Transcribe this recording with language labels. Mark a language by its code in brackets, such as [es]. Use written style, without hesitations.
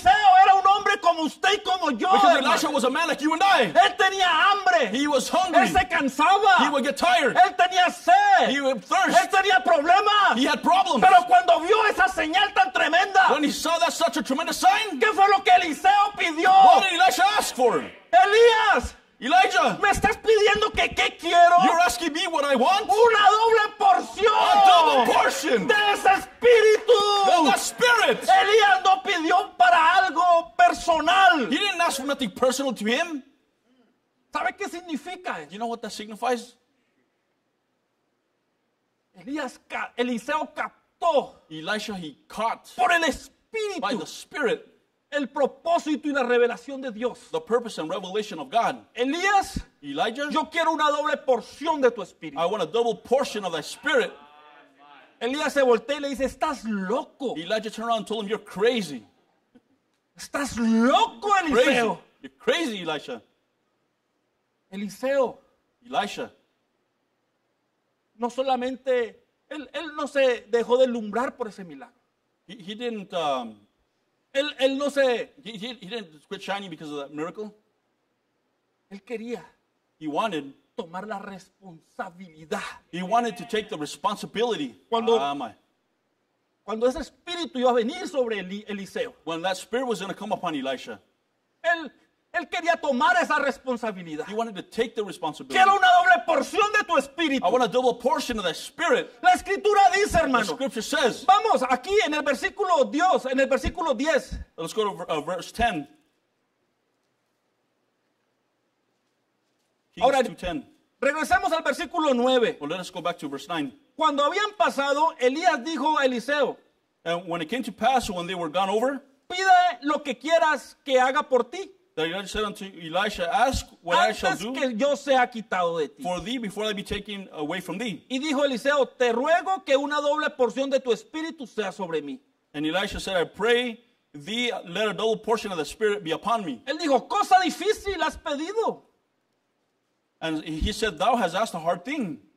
[es] Porque Eliseo era un hombre como usted y como yo, [en] Because [es] hermano. [en] Elisha was a man like you and I. [es] Él tenía hambre. [en] He was hungry. [es] Él se cansaba. [en] He would get tired. [es] Él tenía sed. [en] He would thirst. [es] Él tenía problemas. [en] He had problems. [es] Pero cuando vio esa señal tan tremenda. [en] When he saw that such a tremendous sign. [es] ¿Qué fue lo que Eliseo pidió? [en] What did Elisha ask for? [es] Elías. [en] Elijah. [es] ¿Me estás pidiendo que qué quiero? [en] You're asking me what I want? [es] Una doble porción. [en] A double portion. [es] De ese espíritu. [en] The spirit. [es] Elías no pidió para algo personal. [en] He didn't ask for nothing personal to him. [es] ¿Sabe qué significa? [en] You know what that signifies? [es] Eliseo captó. [en] Elisha, he caught. [es] Por el espíritu. [en] By the Spirit. [es] El propósito y la revelación de Dios. [en] The purpose and revelation of God. [es] Elías. [en] Elijah. [es] Yo quiero una doble porción de tu espíritu. [en] I want a double portion of thy spirit. [es] Elías se voltea y le dice, estás loco. [en] Elijah turned around and told him, you're crazy. [es] Estás loco, Eliseo. [en] Crazy. You're crazy, Elisha. [es] Eliseo. [en] Elisha. [es] No solamente, él no se dejó deslumbrar por ese milagro. [en] He didn't. [es] Él no sé. [en] He didn't quit shining because of that miracle. [es] Él quería. [en] He wanted. [es] Tomar la responsabilidad. [en] He wanted to take the responsibility. [es] Cuando ese espíritu iba a venir sobre Eliseo. [en] When that spirit was going to come upon Elisha. [es] Él quería tomar esa responsabilidad. [en] He wanted to take the responsibility. [es] Quiero una doble porción de tu espíritu. [en] I want a double portion of the spirit. [es] La escritura dice, hermano. [en] The scripture says. [es] Vamos, aquí en el versículo Dios, en el versículo 10. [en] Let's go to verse 10. [es] Ahora, [en] Kings 2:10. [es] Regresemos al versículo 9. [en] Well, let us go back to verse 9. [es] Cuando habían pasado, Elías dijo a Eliseo, [en] and when it came to pass, when they were gone over, [es] pide lo que quieras que haga por ti. [en] The Lord said unto Elisha, ask what [es] antes [en] I shall do [es] que yo sea quitado de ti. [en] For thee before I be taken away from thee. [es] Y dijo Eliseo, te ruego que una doble porción de tu espíritu sea sobre mí. [en] And Elisha said, I pray thee, let a double portion of the spirit be upon me. [es] Él dijo, cosa difícil has pedido. [en] And he said, thou hast asked a hard thing.